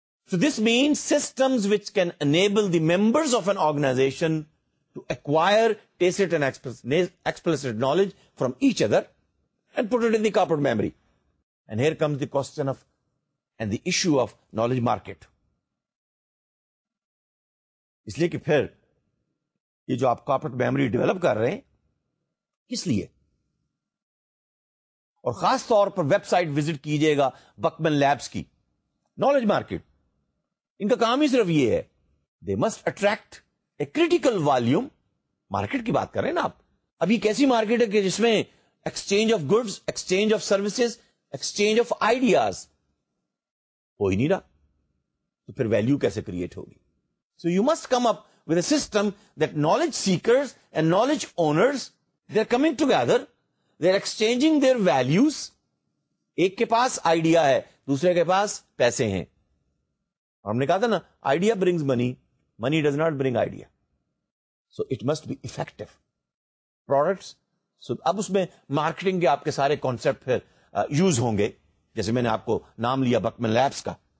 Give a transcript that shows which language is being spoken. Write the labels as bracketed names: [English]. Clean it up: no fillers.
[English] So this means systems which can enable the members of an organisation to acquire tacit and explicit knowledge from each other and put it in the corporate memory. And here comes the question of and the issue of knowledge market. [Urdu] اس لیے کہ پھر یہ جو آپ corporate memory develop کر رہے ہیں کس لیے, اور خاص طور پر ویب سائٹ وزٹ کیجیے گا بکمن لیبس کی, نالج مارکیٹ ان کا کام ہی صرف یہ ہے. [English] They must attract a critical volume. [Urdu] Market کی بات کر رہے ہیں نا آپ, اب یہ کیسی مارکیٹ ہے کہ جس میں [English] exchange of goods, exchange of services, exchange of ideas [Urdu] ہو ہی نہیں رہا, تو پھر ویلو کیسے کریٹ ہوگی. [English] So you must come up with a system that knowledge seekers and knowledge owners they are coming together, they are exchanging their values. [Urdu] ایک کے پاس idea ہے, دوسرے کے پاس پیسے ہیں. ہم نے کہا تھا نا [English] Idea brings money, money does not bring idea. So it must be effective products. [Urdu] سو اب اس میں مارکیٹنگ کے آپ کے سارے کانسیپٹ پھر یوز ہوں گے, جیسے میں نے آپ کو نام لیا بکمن لیبس کا.